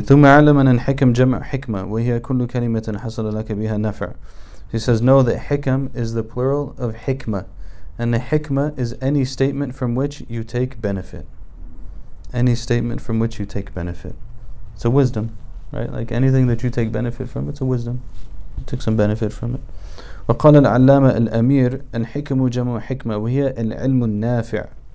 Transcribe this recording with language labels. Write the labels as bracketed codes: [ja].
[ar] ثم علما أن حكم جمع حكمة وهي كل كلمة حصل لك بها نفع. [en] He says, know that حكم is the plural of حكمة, and the حكمة is any statement from which you take benefit. Any statement from which you take benefit. It's a wisdom, right? Like anything that you take benefit from, it's a wisdom. You take some benefit from it. [ar] وقال العلامة الأمير أن حكم جمع حكمة وهي العلم النافع.